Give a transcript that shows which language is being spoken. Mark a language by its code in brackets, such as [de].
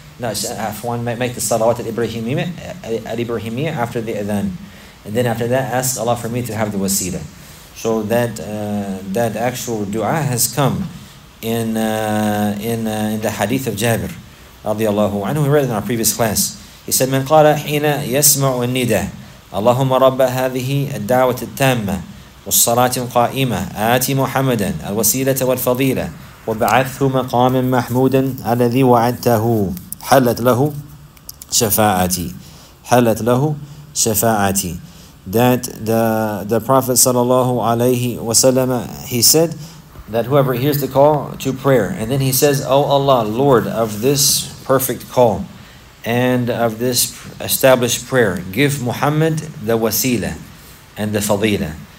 [en] No, Afwan, make the salawat al-Ibrahimiyyah after the adhan. And then after that, ask Allah for me to have the wasila. So that that actual dua has come in the hadith of Jabir, [ar] رضي الله عنه. [en] We read it in our previous class. He said, [ar] من قال حين يسمع النداء اللهم رب هذه الدعوة التامة والصلاة القائمة آتي محمدا الوسيلة والفضيلة وبعثه مقاما محمودا الذي وعدته حلت له شفاعتي حلت له شفاعتي. [en] That the Prophet صلى الله عليه وسلم, he said that whoever hears the call to prayer, and then he says, O Allah, Lord of this perfect call and of this established prayer, give Muhammad the wasila and the fadila.